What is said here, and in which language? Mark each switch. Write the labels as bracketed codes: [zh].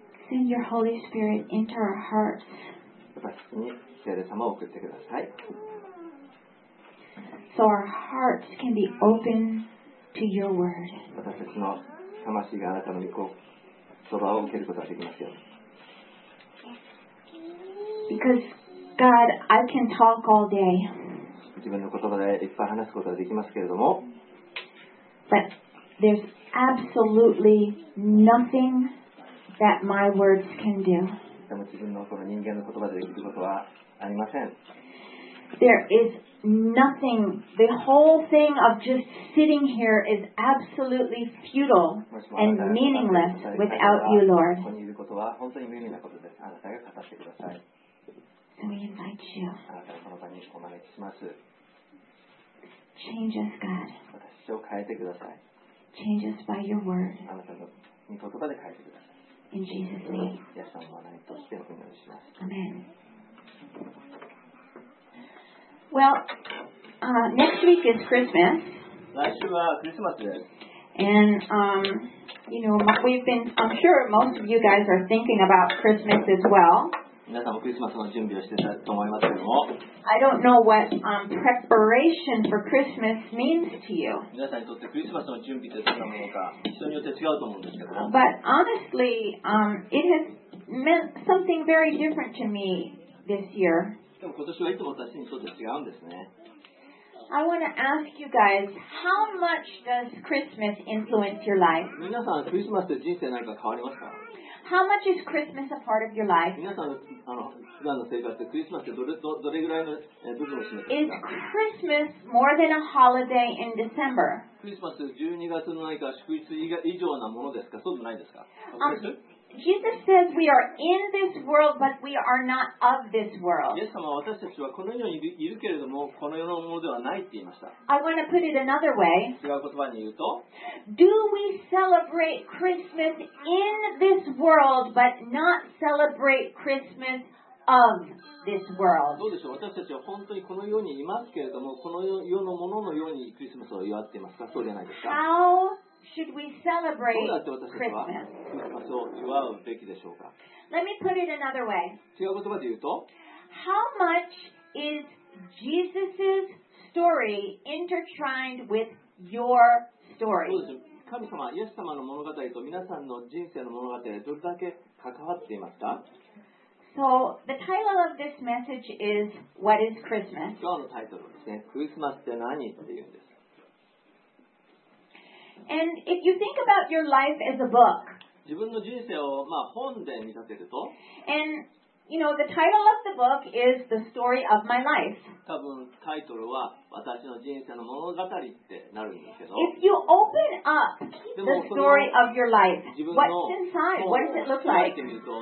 [en] Send your Holy Spirit into our hearts. [ja] 私たちに聖霊様を送ってください。 [en] So our hearts can be open to your word. [ja] 私たちの魂があなたの御言葉を受けることができますよ。 [en] Because God, I can talk all day. [ja] 自分の言葉でいっぱい話すことができますけれども。 [en] But there's absolutely nothing that my words can do. [ja] でも自分のその人間の言葉でできることはありません。 [en] There is nothing. The whole thing of just sitting here is absolutely futile and meaningless without you, Lord. [ja] ここにいることは本当に無意味なことです。あなたが語ってください。 [en] We invite you. [ja] あなたをこの場にお招きします。 [en] Change us, God. [ja] 私を変えてください。 [en] Change us by your word. [ja] あなたの御言葉で変えてください。 [en] In Jesus' name. [ja] イエス様の名前としてお祈りします。 [en] Amen. Well, next week is Christmas. [ja] 来週はクリスマスです。 [en] And, you know, we've been, I'm sure most of you guys are thinking about Christmas as well. [ja] 皆さんもクリスマスの準備をしていたと思いますけれども。 [en] I don't know what preparation for Christmas means to you. [ja] 皆さんにとってクリスマスの準備ってどんなものか、人によって違うと思うんですけども。 [en] But honestly, it has meant something very different to me this year. [ja] でも今年はいつも私にとって違うんですね。 [en] I want to ask you guys, how much does Christmas influence your life? [ja] 皆さんクリスマスで人生何か変わりますか？ [en] How much is Christmas a part of your life? [ja] 皆さんの普段の生活でクリスマスってどれぐらいの部分を占めているか。 [en] Is Christmas more than a holiday in December? [ja] クリスマス12月の何か祝日以上なものですか？そうじゃないですか？ [en] Jesus says we are in this world, but we are not of this world. [ja] イエス様は私たちはこの世にいるけれども、この世のものではないって言いました。 [en] I want to put it another way. [ja] 違う言葉に言うと、 [en] Do we celebrate Christmas in this world, but not celebrate Christmas of this world? [ja] どうでしょう。私たちは本当にこの世にいますけれども、この世のもののようにクリスマスを祝っていますか。そうじゃないですか。 [en] How? Should we celebrate Christmas? [ja] どうやって私たちはクリスマスを祝うべきでしょうか? [en] Let me put it another way. [ja] 違う言葉で言うと? [en] How much is Jesus' story intertwined with your story? [ja] そうです。神様、イエス様の物語と皆さんの人生の物語でどれだけ関わっていますか? [en] So, the title of this message is, What is Christmas? [ja] 今日のタイトルですね。クリスマスって何?って言うんです。 [en] And if you think about your life as a book, [ja] 自分の人生を、まあ、本で見立てると [en] And, you know, the title of the book is The Story of My Life. [ja] 多分タイトルは私の人生の物語ってなるんですけど [en] If you open up the story of your life, what's inside? What does it look like? [ja] 開いてみると